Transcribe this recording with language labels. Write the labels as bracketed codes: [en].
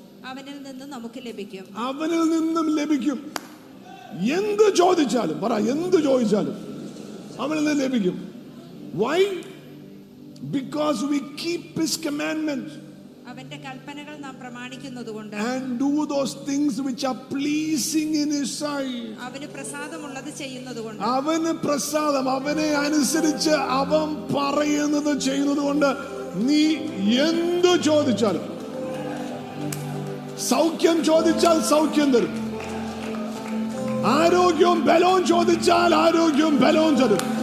[ml] അവനിൽ നിന്ന് നമുക്ക് ലഭിക്കും. അവനിൽ നിന്നും ലഭിക്കും. എന്ത് ചോദിച്ചാലും, പറ, എന്ത് ചോദിച്ചാലും അവനിൽ നിന്ന് ലഭിക്കും. [en] Why? Because we keep his commandments. [ml] അവന്റെ കൽപ്പനകൾ നാം പ്രമാണിക്കുന്നതുകൊണ്ട്. [en] And do those things which are pleasing in his sight. [ml] അവനെ പ്രസാദമുള്ളത് ചെയ്യുന്നതുകൊണ്ട്. അവനെ പ്രസാദം, അവനെ അനുസരിച്ച് അവൻ പറയുന്നത് ചെയ്യുന്നതുകൊണ്ട് നീ എന്ത് ചോദിച്ചാലും. സൗഖ്യം ചോദിച്ചാൽ സൗഖ്യം തരും. ആരോഗ്യവും ബലവും ചോദിച്ചാൽ ആരോഗ്യവും ബലവും തരും.